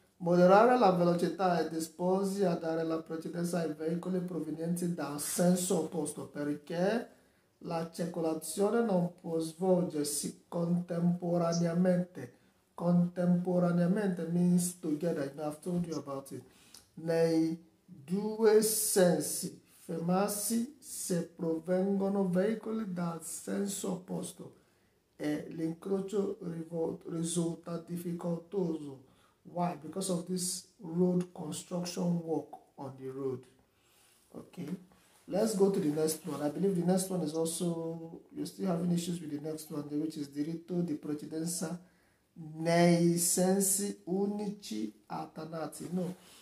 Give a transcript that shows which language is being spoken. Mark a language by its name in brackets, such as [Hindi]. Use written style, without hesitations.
[Italian] Moderare la velocità e disposi a dare la precedenza ai veicoli provenienti dal senso opposto perché la circolazione non può svolgersi contemporaneamente. [English] Contemporaneamente means together, you know, I've told you about it. [Italian] Nei due sensi, fermarsi se provengono veicoli dal senso opposto e l'incrocio risulta difficoltoso. [English] Why? Because of this road construction work on the road. Okay, let's go to the next one. I believe the next one is also, you're still having issues with the next one, which is [Italian] diritto di precedenza nei sensi unici alternati. [English] No.